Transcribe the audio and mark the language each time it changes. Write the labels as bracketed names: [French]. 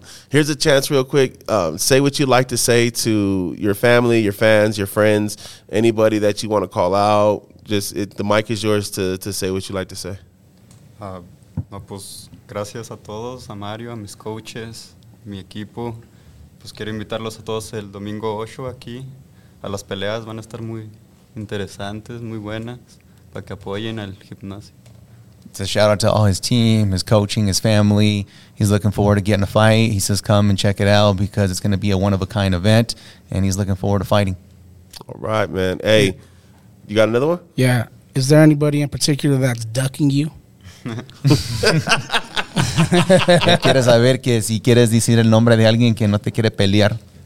[English] Here's a chance real quick. Say what you'd like to say to your family, your fans, your friends, anybody that you want to call out. The mic is yours to say what you'd like to say. [Spanish] No, pues, gracias a todos, a Mario, a mis coaches, mi equipo. Pues quiero invitarlos a todos el domingo 8 aquí. A las peleas van a estar muy interesantes, muy buenas, para que apoyen al gimnasio. [English] It's a shout out to all his team, his coaching, his family. He's looking forward to getting a fight. He says, come and check it out because it's going to be a one-of-a-kind event, and he's looking forward to fighting. All right, man. Hey, you got another one? Yeah. Is there anybody in particular that's ducking you? [Spanish] ¿Quieres saber que si quieres decir el nombre de alguien que no te quiere pelear?